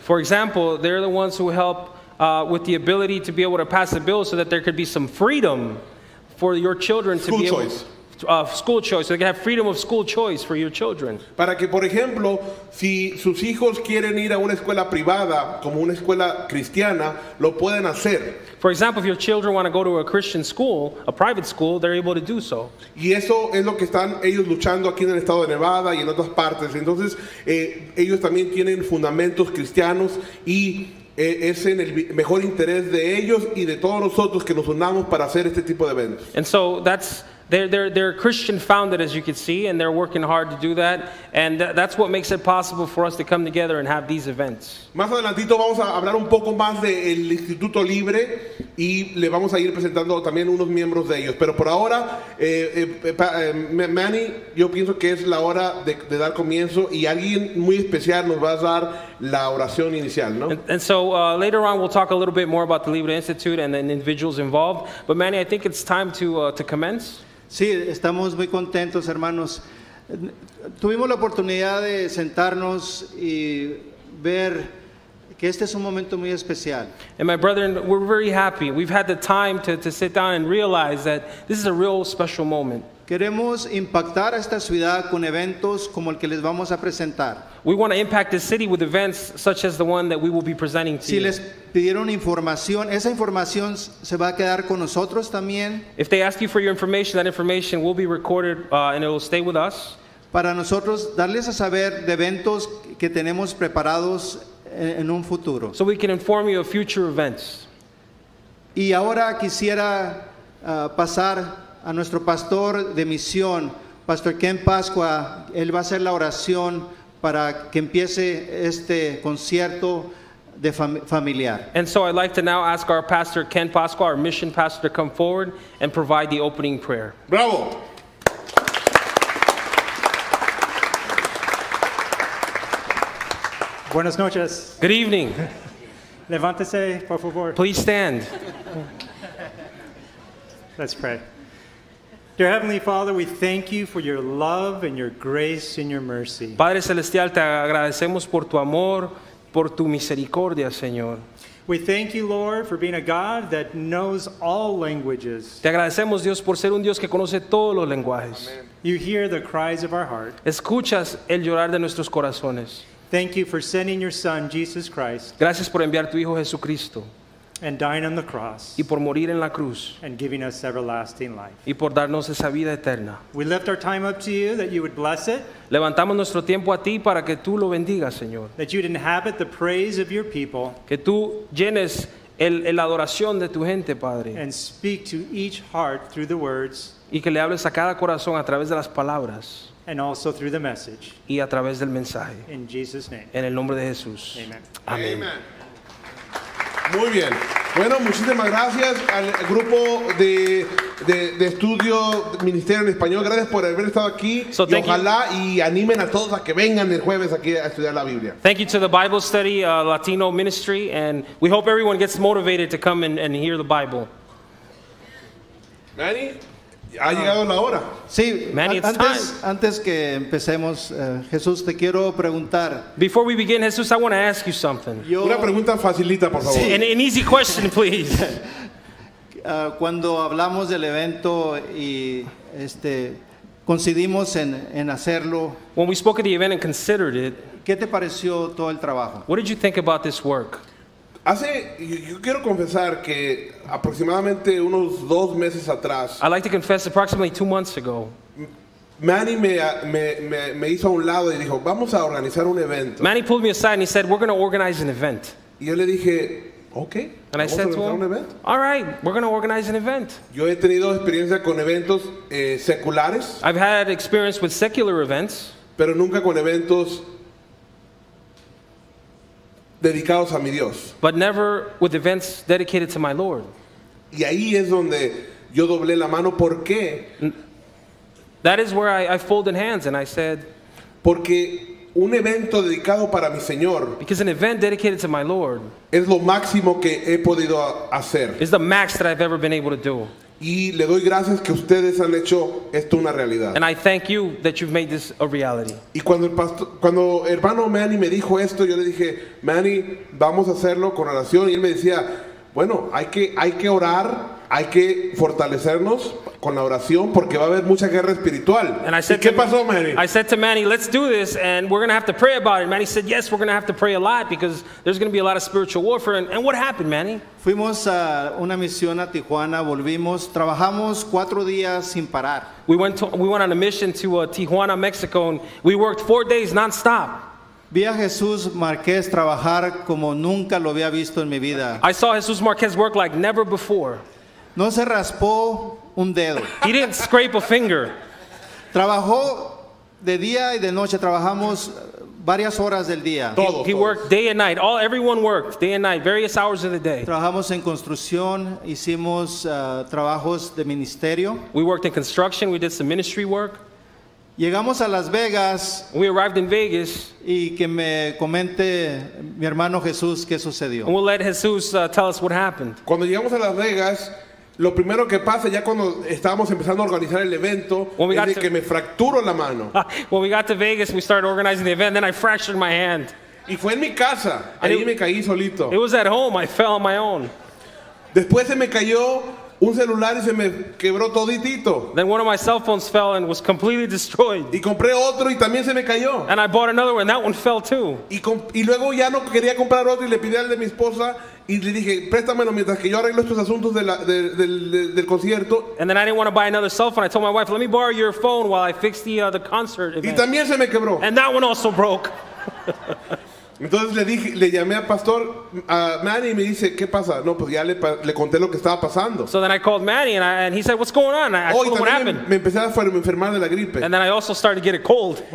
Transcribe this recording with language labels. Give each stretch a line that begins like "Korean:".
English: For example, they're the ones who help with the ability to be able to pass a bill so that there could be some freedom for your children to school be choice. Able school choice. So they can have freedom of school choice for your children.
Spanish: Para que, por ejemplo, si sus hijos quieren ir a una escuela privada como una escuela cristiana, lo pueden hacer.
English: For example, if your children want to go to a Christian school, a private school, they're able to do so.
Spanish: Y eso es lo que están ellos luchando aquí en el estado de Nevada y en otras partes. Entonces, ellos también tienen fundamentos cristianos y es en el mejor interés de ellos y de todos nosotros que nos unamos para hacer este tipo de eventos.
English: And so that's they're Christian founded, as you can see, and they're working hard to do that, and that's what makes it possible for us to come together and have these events.
Spanish: Más adelantito vamos a hablar un poco más del Instituto Libre y le vamos a ir presentando también unos miembros de ellos, pero por ahora Manny, yo pienso que es la hora de dar comienzo y alguien muy especial nos va a dar la oración inicial, ¿no?
English: And so later on we'll talk a little bit more about the Libre Institute and the individuals involved, but Manny, I think it's time to commence.
Spanish: Sí, estamos muy contentos, hermanos. Tuvimos la oportunidad de sentarnos y ver que este es un momento muy especial.
English: And my brethren, we're very happy. We've had the time to sit down and realize that this is a real special moment.
Spanish: Queremos impactar a esta ciudad con eventos como el que les vamos a presentar.
English: We want to impact the city with events such as the one that we will be presenting to you.
Spanish: Si les pidieron información, esa información se va a quedar con nosotros también.
English: If they ask you for your information, that information will be recorded and it will stay with us.
Spanish: Para nosotros darles a saber de eventos que tenemos preparados en un futuro.
English: So we can inform you of future events.
Spanish: Y ahora quisiera pasar a nuestro pastor de misión, Pastor Ken Pascua. Él va a hacer la oración para que empiece este concierto de familiar.
English: And so I'd like to now ask our pastor Ken Pascua, our mission pastor, to come forward and provide the opening prayer.
Spanish: Bravo. Buenas noches.
English: Good evening.
Spanish: Levántese, por favor.
English: Please stand. Let's pray. Dear Heavenly Father, we thank you for your love and your grace and your mercy.
Spanish: Padre Celestial, te agradecemos por tu amor, por tu misericordia, Señor.
English: We thank you, Lord, for being a God that knows all languages.
Spanish: Te agradecemos, Dios, por ser un Dios que conoce todos los lenguajes.
English: Amen. You hear the cries of our heart.
Spanish: Escuchas el llorar de nuestros corazones.
English: Thank you for sending your Son, Jesus Christ.
Spanish: Gracias por enviar tu Hijo, Jesucristo.
English: And dying on the cross.
Spanish: Y por morir en la cruz.
English: And giving us everlasting life.
Spanish: Y por darnos esa vida eterna.
English: We lift our time up to you that you would bless it.
Spanish: Levantamos nuestro tiempo a ti para que tú lo bendigas, Señor.
English: That you'd inhabit the praise of your people.
Spanish: Que tú llenes la adoración de tu gente, Padre.
English: And speak to each heart through the words.
Spanish: Y que le hables a cada corazón a través de las palabras.
English: And also through the message.
Spanish: Y a través del mensaje.
English: In Jesus' name.
Spanish: En el nombre de Jesús.
English: Amen.
Spanish: Amén. Amen. Muy bien. Bueno, muchísimas gracias al grupo de estudio Ministerio en Español. Gracias por haber estado aquí.
English: So
Spanish: y ojalá
English: you.
Spanish: Y animen a todos a que vengan el jueves aquí a estudiar la Biblia.
English: Thank you to the Bible Study Latino Ministry, and we hope everyone gets motivated to come and hear the Bible.
Spanish: Manny, ha llegado la hora. Sí,
English: Manny, it's
Spanish: antes,
English: time.
Spanish: Antes que empecemos, Jesús, te quiero preguntar.
English: Before we begin, Jesús, I want to ask you something.
Spanish: Una pregunta facilita, por favor. Sí.
English: An easy question, please.
Spanish: Cuando hablamos del evento y coincidimos en hacerlo.
English: When we spoke of the event and considered it.
Spanish: ¿Qué te pareció todo el trabajo?
English: What did you think about this work?
Spanish: Yo quiero confesar que aproximadamente unos dos meses atrás.
English: I'd like to confess approximately 2 months ago.
Spanish: Manny me hizo a un lado y dijo, vamos a organizar un evento.
English: Manny pulled me aside and he said, we're going to organize an event.
Spanish: Y yo le dije, Okay.
English: And I said to him, all right, we're going to organize an event.
Spanish: Yo he tenido experiencia con eventos seculares.
English: I've had experience with secular events.
Spanish: Pero nunca con eventos dedicados a mi Dios.
English: But never with events dedicated to my Lord.
Spanish: Y ahí es donde yo doblé la mano. ¿Por qué?
English: That is where I folded hands and I said,
Spanish: porque un evento dedicado para mi Señor,
English: because an event dedicated to my Lord,
Spanish: es lo máximo que he podido hacer,
English: is the max that I've ever been able to do.
Spanish: Y le doy gracias que ustedes han hecho esto una realidad.
English: And I thank you that you've made this a reality.
Spanish: Y cuando el pastor, cuando hermano Manny me dijo esto, yo le dije, Manny, vamos a hacerlo con oración. Y él me decía, bueno, hay que orar, hay que fortalecernos con la oración porque va a haber mucha guerra espiritual. ¿Qué pasó, Manny?
English: I said to Manny, let's do this and we're going to have to pray about it. Manny said, yes, we're going to have to pray a lot because there's going to be a lot of spiritual warfare. And what happened, Manny?
Spanish: Fuimos a una misión a Tijuana, volvimos, trabajamos 4 días sin parar.
English: We went on a mission to Tijuana, Mexico, and we worked 4 days nonstop.
Spanish: Vi a Jesús Márquez trabajar como nunca lo había visto en mi vida.
English: I saw Jesús Márquez work like never before.
Spanish: No se raspó un dedo.
English: He didn't scrape a finger.
Spanish: Trabajó de día y de noche. Trabajamos varias horas del día.
English: He worked day and night. Everyone worked day and night, various hours of the day.
Spanish: Trabajamos en construcción. Hicimos trabajos de ministerio.
English: We worked in construction. We did some ministry work.
Spanish: Llegamos a Las Vegas.
English: We arrived in Vegas.
Spanish: Y que me comente mi hermano Jesús qué sucedió.
English: And we'll let Jesús tell us what happened.
Spanish: Cuando llegamos a Las Vegas, lo primero que pasa ya cuando estábamos empezando a organizar el evento es de que me fracturo la mano.
English: When we got to Vegas, we started organizing the event, then I fractured my hand.
Spanish: Y fue en mi casa. And ahí me caí solito.
English: It was at home. I fell on my own.
Spanish: Después se me cayó un celular y se me quebró toditito.
English: Then one of my cell phones fell and was completely destroyed.
Spanish: Y compré otro y también se me cayó.
English: And I bought another one. That one fell too.
Spanish: Y luego ya no quería comprar otro y le pedí al de mi esposa y le dije, préstamelo mientras que yo arreglo estos asuntos del concierto.
English: And then I didn't want to buy another cell phone. I told my wife, let me borrow your phone while I fix the concert event.
Spanish: Y también se me quebró.
English: And that one also broke.
Spanish: Entonces le llamé al pastor Manny y me dice, ¿qué pasa? No, pues ya le conté lo que estaba pasando.
English: So then I called Manny and he said, what's going on? I told him what happened.
Spanish: Me empecé a enfermar de la gripe.
English: And then I also started to get a cold.